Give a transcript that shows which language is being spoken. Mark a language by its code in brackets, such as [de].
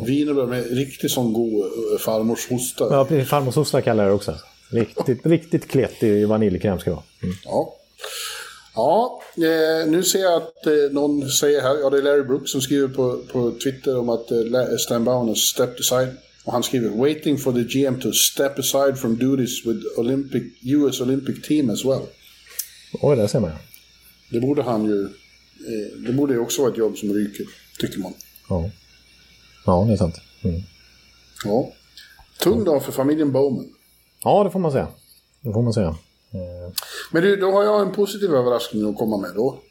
[sv] Vinerbröd med riktigt sån god farmorshosta. Ja, farmorshosta kallar jag det också. Riktigt, riktigt kletig vaniljkräm ska det vara. Mm. Ja. Ja, nu ser jag att någon säger här, ja, det är Larry Brooks som skriver på Twitter om att Stan Bowen [en] has stepped aside. [sv] Och han skriver, [en] waiting for the GM to step aside from duties with Olympic, US Olympic team as well. [sv] Oj, det ser man. Det borde han ju, det borde ju också vara ett jobb som ryker, tycker man. Ja, det är sant. Mm. Ja, tung dag för familjen Bowman. Ja, det får man säga. Det får man säga. Men du, då har jag en positiv överraskning att komma med då.